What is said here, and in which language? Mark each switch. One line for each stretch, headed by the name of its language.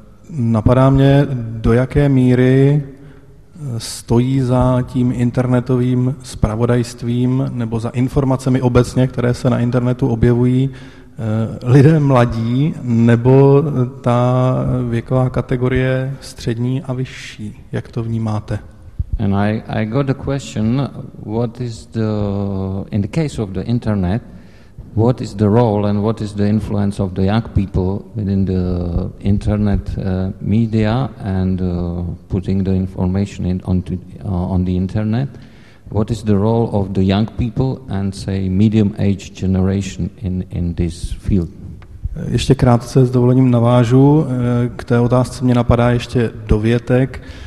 Czech: Napadá mě, do jaké míry stojí za tím internetovým zpravodajstvím nebo za informacemi obecně, které se na internetu objevují, lidé mladí nebo ta věková kategorie střední a vyšší. Jak to vnímáte?
English: And I got a question, what is the, in the case of the internet, what is the role and what is the influence of the young people within the internet media and putting the information on the internet? What is the role of the young people and, say, medium-age generation in this field?
Czech: Ještě krátce s dovolením navážu, k té otázce mě napadá ještě dovětek.